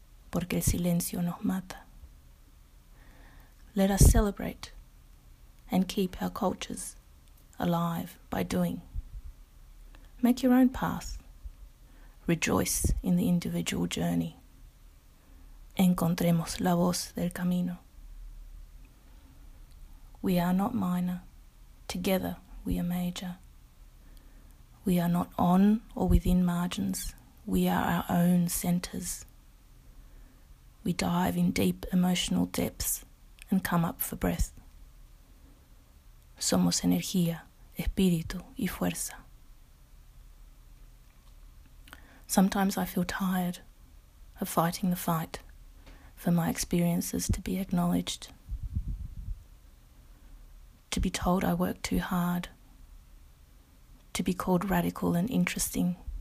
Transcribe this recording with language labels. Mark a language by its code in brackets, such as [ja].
[es] Porque el silencio nos mata. [en] Let us celebrate and keep our cultures alive by doing. Make your own path. Rejoice in the individual journey. [es] Encontremos la voz del camino. [en] We are not minor. Together we are major. We are not on or within margins. We are our own centers. We dive in deep emotional depths and come up for breath. [es] Somos energía, espíritu y fuerza. [en] Sometimes I feel tired of fighting the fight for my experiences to be acknowledged. To be told I work too hard. To be called radical and interesting.